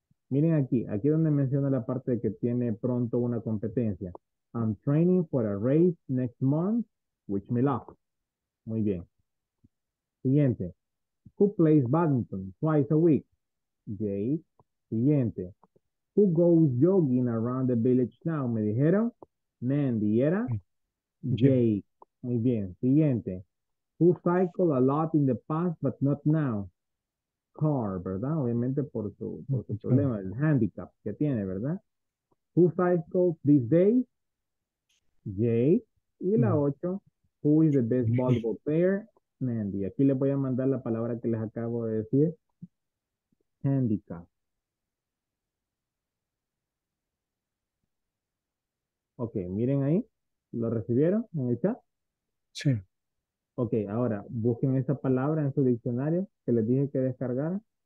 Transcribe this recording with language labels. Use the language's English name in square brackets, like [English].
[Spanish] Miren aquí donde menciona la parte de que tiene pronto una competencia. [English] I'm training for a race next month, wish me luck. [Spanish] Muy bien. Siguiente. [English] Who plays badminton twice a week? Jay. [Spanish] Siguiente. [English] Who goes jogging around the village now? [Spanish] Me dijeron. [English] Mandy, [Spanish] ¿era? [English] Jay. [Spanish] Muy bien. Siguiente. [English] Who cycled a lot in the past, but not now? [Spanish] Car, ¿verdad? Obviamente por su problema, el handicap que tiene, ¿verdad? [English] Who cycles these days? Jay. [Spanish] Y la 8, [English] who is the best volleyball player? Mandy. [Spanish] Aquí les voy a mandar la palabra que les acabo de decir. [English] Handicap. [Spanish] Ok, miren ahí. ¿Lo recibieron en el chat? Sí. Ok, ahora busquen esa palabra en su diccionario que les dije que descargaran.